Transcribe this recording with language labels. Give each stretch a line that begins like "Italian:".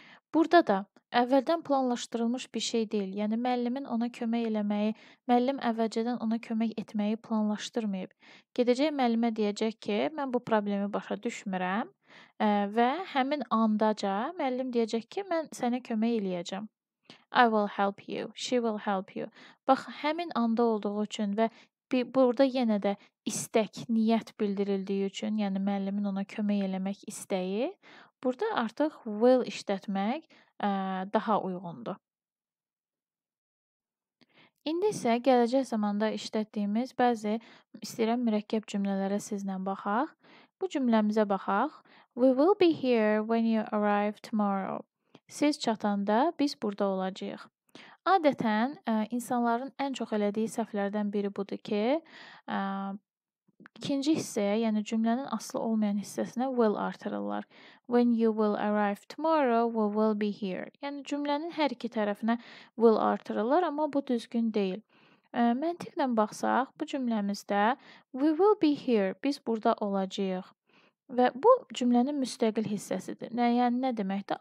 Azerbaijani: Burada da əvvəldən planlaşdırılmış bir şey deyil. Yəni, müəllimin ona kömək eləməyi, müəllim əvvəlcədən ona kömək etməyi planlaşdırmayıb. Gedəcək müəllimə deyəcək ki, mən bu problemi başa düşmürəm və həmin andaca müəllim deyəcək ki, mən sənə kömək eləyəcəm.
English: I will help you, she will help you.
Azerbaijani: Bax, həmin anda olduğu üçün və burada yenə də istək, niyyət bildirildiyi üçün, yəni müəllimin ona kömək eləmək istəyi, burada artıq will işlətmək daha uyğundur. İndi isə gələcək zamanda işlətdiyimiz bəzi istəyirəm mürəkkəb cümlələrə sizlə baxaq. Bu cümləmizə baxaq.
English: We will be here when you arrive tomorrow.
Azerbaijani: Siz çatanda biz burada olacağıq. Adətən, insanların ən çox elədiyi səhvlərdən biri budur ki, ikinci hissəyə, yəni cümlənin aslı olmayan hissəsinə will artırırlar.
English: When you will arrive tomorrow, we will be here.
Azerbaijani: Yəni cümlənin hər iki tərəfinə will artırırlar, amma bu düzgün deyil. Məntiqlə baxsaq, bu cümləmizdə
English: we will be here,
Azerbaijani: biz burada olacağıq. Və bu cümlənin müstəqil hissəsidir. Yəni, nə deməkdir?